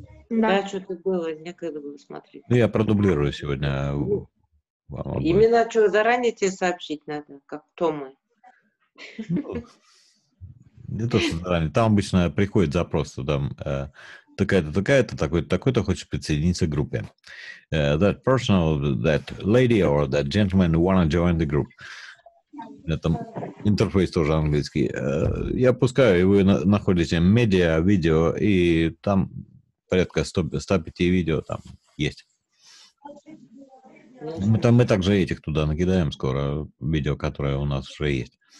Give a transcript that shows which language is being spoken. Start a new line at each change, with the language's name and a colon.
Russian: Да, что-то было, некогда было смотреть. Ну, я продублирую сегодня. Именно что, заранее тебе сообщить надо, как Тома? Ну, не то, что заранее. Там обычно приходит запрос, что там такая-то, такой-то хочет присоединиться к группе.
English: That person, that lady or that gentleman wanna join the group.
Russian: Там интерфейс тоже английский. Я пускаю, и вы находите медиа, видео, и там порядка 105 видео там есть. Мы также этих туда накидаем скоро, видео, которое у нас уже есть.